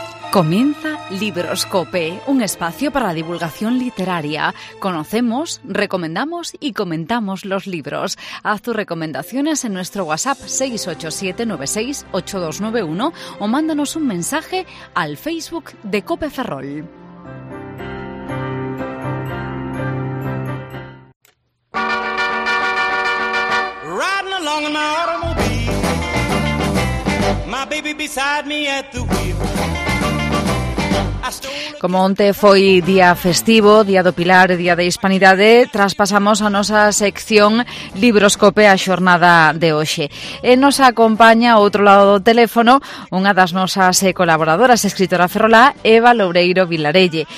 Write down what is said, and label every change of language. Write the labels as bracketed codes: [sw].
[es] Comienza Libros Cope, un espacio para la divulgación literaria. Conocemos, recomendamos y comentamos los libros. Haz tus recomendaciones en nuestro WhatsApp 687968291 o mándanos un mensaje al Facebook de Cope Ferrol. [en] Riding along in my automobile, my baby beside me at the wheel. [gl] Como onte foi día festivo, día do Pilar e día de Hispanidade, traspasamos a nosa sección Libroscope a xornada de hoxe. E nos acompaña ao outro lado do teléfono unha das nosas colaboradoras, escritora ferrolá, Eva Loureiro Vilarelle.